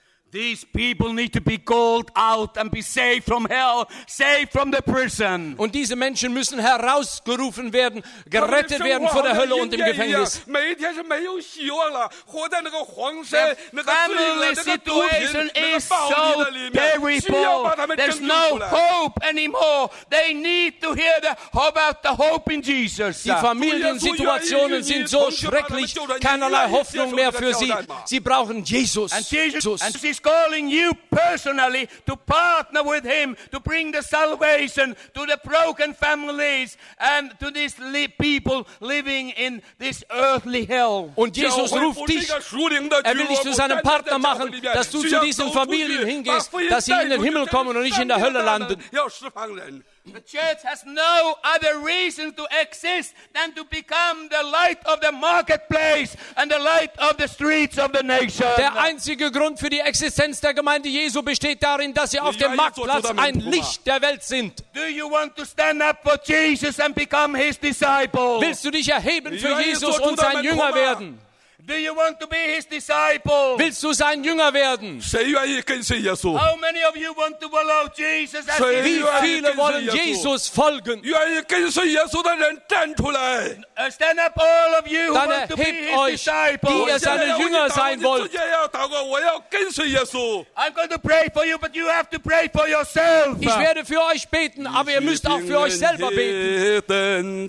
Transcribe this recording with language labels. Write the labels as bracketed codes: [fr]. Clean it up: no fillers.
[en] These people need to be called out and be saved from hell, saved from the prison. [de] Und diese Menschen müssen herausgerufen werden, gerettet werden von der Hölle und dem Gefängnis. [en] Family situation is so terrible. There's no hope anymore. They need to hear the hope about the hope in Jesus. [de] Die Familiensituationen sind so schrecklich, keinerlei Hoffnung mehr für sie. Sie brauchen Jesus. [en] And Jesus. Calling you personally to partner with him to bring the salvation to the broken families and to these people living in this earthly hell. [de] Und Jesus ruft dich. Er will dich zu seinem Partner machen, dass du zu diesen Familien hingehst, dass sie in den Himmel kommen und nicht in der Hölle landen. [en] The church has no other reason to exist than to become the light of the marketplace and the light of the streets of the nation. [de] Der einzige Grund für die Existenz der Gemeinde Jesu besteht darin, dass sie auf dem Marktplatz ein Licht der Welt sind. [en] Do you want to stand up for Jesus and become his disciple? [de] Willst du dich erheben für Jesus und sein Jünger werden? [en] Do you want to be his disciple? [de] Willst du sein Jünger werden? [en] How many of you want to follow Jesus as his [de] disciple? Wie viele wollen Jesus folgen? [en] Stand up all of you who want to be his disciple. [de] Die ihr seine Jünger sein wollt. [en] I'm going to pray for you, but you have to pray for yourself. [de] Ich werde für euch beten, aber ihr müsst auch für euch selber beten.